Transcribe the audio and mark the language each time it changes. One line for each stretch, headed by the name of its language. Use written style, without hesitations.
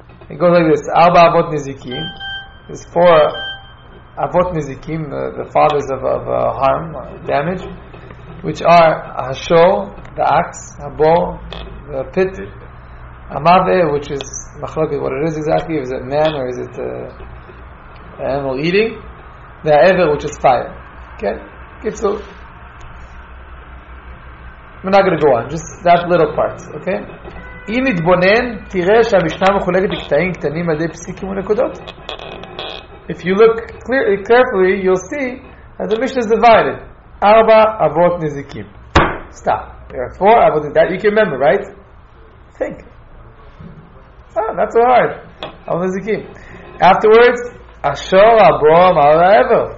English: It goes like this, Arba Avot Nezikin. There's four Avot Nezikin, the fathers of harm, damage, which are Hashor, the axe, Habo, the pit, Amave, which is Machloket, what it is exactly, is it man or is it animal eating? The Ever, which is fire. Okay? Kitzur. We're not going to go on, just that little part, okay?
Hebrew: אם נתבונן, תראה שהמשנה מחולקת לקטעים קטנים על ידי פסיקים ונקודות.
English: If you look carefully, you'll see that the Mishnah is divided.
Hebrew: ארבע אבות נזיקים.
English: Stop. There are four אבות נזיקים. That you can remember, right? Think. Oh, not so hard. Avot Nezikim. Afterwards, Ashor, Abo, Amar, Ever.